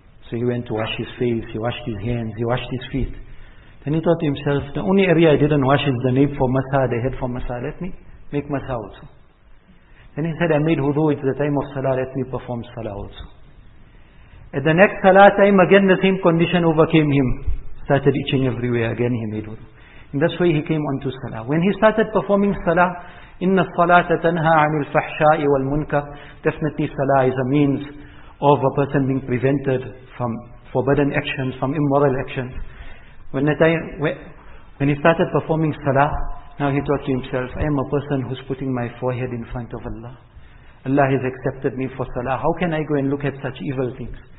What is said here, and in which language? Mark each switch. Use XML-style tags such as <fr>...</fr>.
<en>So he went to wash his face, he washed his hands, he washed his feet. Then he thought to himself, the only area I didn't wash is the nape for Masa, the head for Masa, let me make Masa also. Then he said, I made Hudu, it's the time of Salah, let me perform Salah also. At the next Salah time, again the same condition overcame him. Started itching everywhere, again he made wudu. And that's why he came on to Salah.</en> <ar>When he started performing Salah, إِنَّ الصَّلَاةَ تَنْهَى عَنِ الْفَحْشَاءِ وَالْمُنْكَرِ.</ar> <en>Definitely Salah is a means of a person being prevented from forbidden actions, from immoral actions. When he started performing Salah, now he thought to himself, I am a person who's putting my forehead in front of Allah. Allah has accepted me for salah. How can I go and look at such evil things?</en>